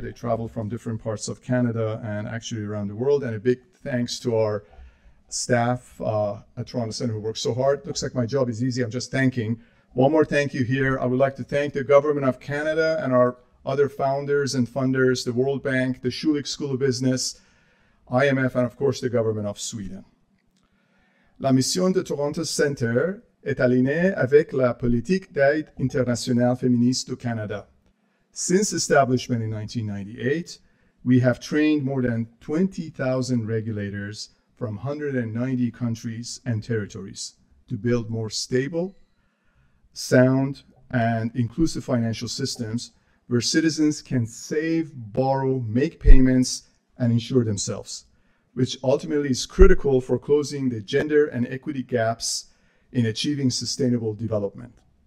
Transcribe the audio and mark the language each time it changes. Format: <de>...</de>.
<en>They travel from different parts of Canada and actually around the world. And a big thanks to our staff at Toronto Centre who work so hard. Looks like my job is easy. I'm just thanking. One more thank you here. I would like to thank the Government of Canada and our other founders and funders, the World Bank, the Schulich School of Business, IMF, and of course, the Government of Sweden.</en> <fr>La mission de Toronto Centre est alignée avec la politique d'aide internationale féministe du Canada.</fr> <en>Since establishment in 1998, we have trained more than 20,000 regulators from 190 countries and territories to build more stable, sound, and inclusive financial systems where citizens can save, borrow, make payments, and insure themselves, which ultimately is critical for closing the gender and equity gaps in achieving sustainable development.</en>